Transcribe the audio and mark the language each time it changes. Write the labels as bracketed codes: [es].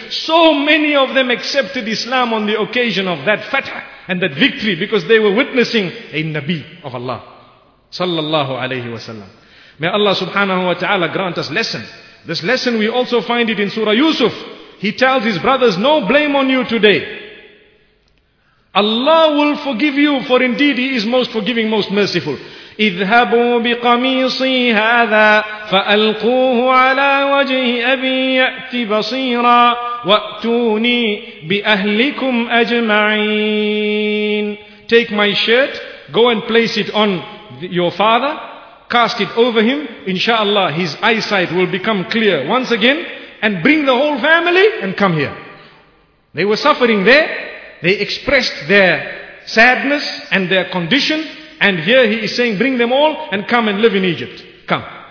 [en] So many of them accepted Islam on the occasion of that fatah and that victory because they were witnessing a Nabi of Allah, sallallahu alayhi wa sallam. May Allah subhanahu wa ta'ala grant us lesson. This lesson we also find it in Surah Yusuf. He tells his brothers, no blame on you today. Allah will forgive you, for indeed He is most forgiving, most merciful. [ar] اذهبوا بقميصي هذا فألقوه على وجه أبي يأتي بصيرا وأتوني بأهلكم أجمعين. [en] Take my shirt, go and place it on your father, cast it over him, inshallah his eyesight will become clear once again, and bring the whole family and come here. They were suffering there, they expressed their sadness and their condition, and here he is saying, bring them all and come and live in Egypt. Come.